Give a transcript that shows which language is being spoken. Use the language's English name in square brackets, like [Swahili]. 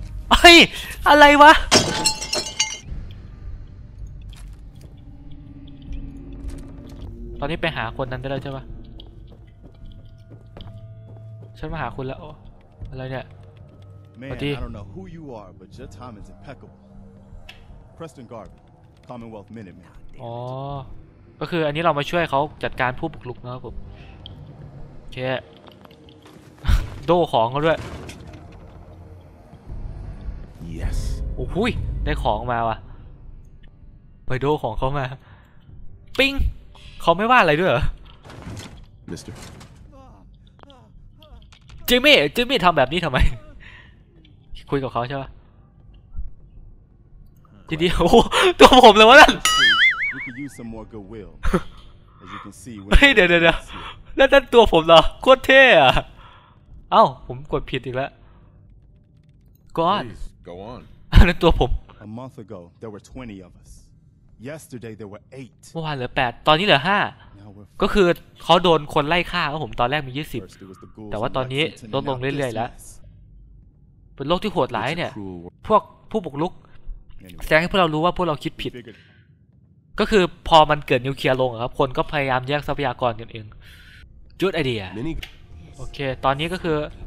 [Thai] เฮ้ยอะไรวะตอนนี้ไปหาคนนั้นได้แล้วใช่ปะฉันมาหาคุณแล้วอะไรเนี่ย มาดี [English] I don't know who you are but your time is impeccable Preston Garvey Commonwealth Minuteman [Thai] อ๋อก็คืออันนี้เรามาช่วยเขาจัดการผู้บุกรุกนะครับผมโอเคโดของเขาด้วย [English] yes [Thai] โอ้โหได้ของมาว่ะไปโดของเขามาปิ้งเขาไม่ว่าอะไรด้วยเหรอ [English] Mister [Thai] Jimmy ทำแบบนี้ทำไมคุยกับเขาใช่ป่ะทีนี้โอ้ตัวผมเลยวะนั่น [English] You could use some more goodwill, as you can see. Hey, no, no, no. [Thai] That ตัวผมเหรอ โคตรเท่อะ เอ้า ผมกดผิดอีกแล้ว [English] Please go on. [Thai] นั่นตัวผม [English] A month ago, there were 20 of us. Yesterday, there were 8. [Thai] เมื่อวานเหลือ8ตอนนี้เหลือ5ก็คือเขาโดนคนไล่ฆ่าครับผมตอนแรกมี20แต่ว่าตอนนี้ลดลงเรื่อยๆแล้ว เป็นโลกที่โหดร้ายเนี่ยพวกผู้บุกรุกแสดงให้พวกเรารู้ว่าพวกเราคิดผิดก็คือพอมันเกิดนิวเคลียร์ลงครับคนก็พยายามแยกทรัพยากรกันเองจุดไอเดียโอเคตอนนี้ก็คือ